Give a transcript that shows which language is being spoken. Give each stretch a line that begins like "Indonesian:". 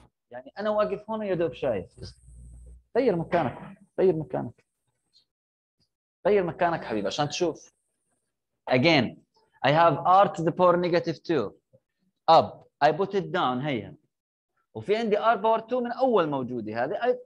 Arabic: يعني انا واقف هون يا دوب شايف. غير مكانك، غير مكانك. غير مكانك حبيبي عشان تشوف.
English: Again, I have r to the power negative 2 up. I put it down هي.
Arabic: وفي عندي r power 2 من اول موجوده هذه.